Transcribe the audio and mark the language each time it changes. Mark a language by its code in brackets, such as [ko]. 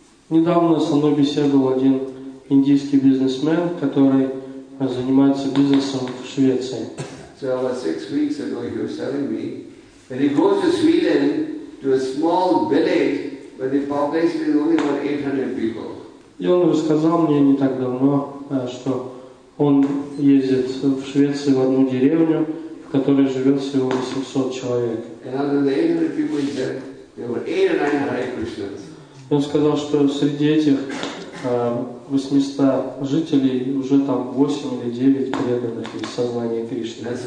[ru] Недавно со мной беседовал один индийский бизнесмен, который занимается бизнесом в Швеции. [en] So about 6 weeks ago he was telling me that he goes to Sweden to a small village where the population is only about 800 people. [ru] И он рассказал мне не так давно, что он ездит в Швеции в одну деревню, в которой живет всего 800 человек. [en] And out of the 800 people he said, there were 8 or 9 Hare Krishnas. [ru] И он сказал, что среди этих 800 жителей уже там 8 или 9 преданных из сознания Кришны.